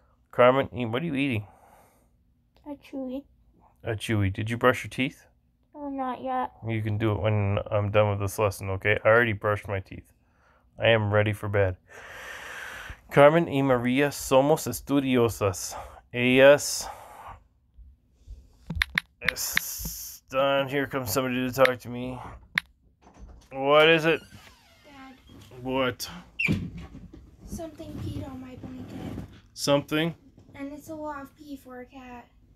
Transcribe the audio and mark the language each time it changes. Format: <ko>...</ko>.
<en>Carmen, what are you eating? A chewy. A chewy. Did you brush your teeth? Not yet. You can do it when I'm done with this lesson, okay? I already brushed my teeth. I am ready for bed.</en> <es>Carmen y Maria, somos estudiosas. Ellas están.</es> <en>Here comes somebody to talk to me. What is it? Dad. What? Something peed on my blanket. Something? And it's a lot of pee for a cat.</en>